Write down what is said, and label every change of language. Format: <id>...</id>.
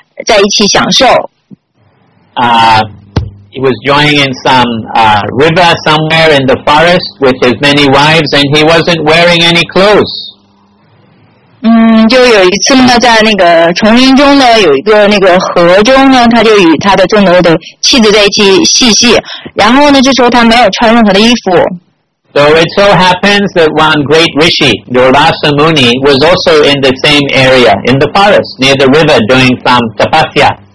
<zh>在一起享受。</zh> <en>He was joining in some river somewhere in the forest with his many wives, and he wasn't wearing any clothes.</en> <zh>就有一次呢，在那个丛林中呢，有一个那个河中呢，他就与他的众多的妻子在一起嬉戏，然后呢，这时候他没有穿任何的衣服。</zh> <en>So it so happens that one great rishi, Durvasa Muni, was also in the same area, in the forest, near the river, doing some tapasya.</en>